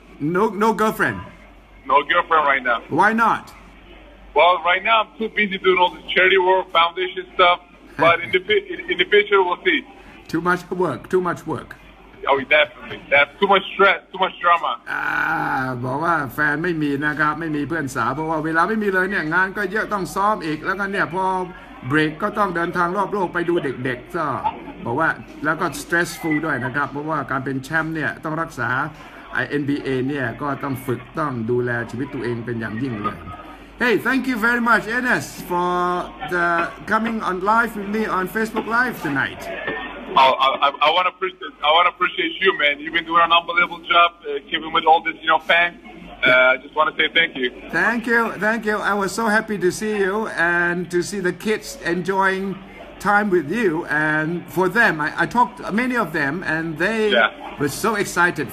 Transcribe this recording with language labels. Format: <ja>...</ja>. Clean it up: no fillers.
<en>No girlfriend? No girlfriend right now. Why not? Well, right now I'm too busy doing all this charity work, foundation stuff. But in the future, we'll see. Too much work. Oh, definitely. That's too much stress, too much drama.</en> <th>บอกว่าแฟนไม่มีนะครับไม่มีเพื่อนสาวเพราะว่าเวลาไม่มีเลยเนี่ยงานก็เยอะต้องซ้อมอีกแล้วก็เนี่ยพอเบรกก็ต้องเดินทางรอบโลกไปดูเด็กๆก็บอกว่าแล้วก็ stressful ด้วยนะครับเพราะว่าการเป็นแชมป์เนี่ยต้องรักษาไอ้ NBA เนี่ยก็ต้องฝึกต้องดูแลชีวิตตัวเองเป็นอย่างยิ่งเลย</th> <en>Hey thank you very much Enes for the coming on live with me on Facebook live tonight I want to appreciate you man you've been doing an unbelievable job keeping with all this you know fans I just want to say thank you. I was so happy to see you and to see the kids enjoying time with you. And for them, I talked to many of them and they were so excited.</en>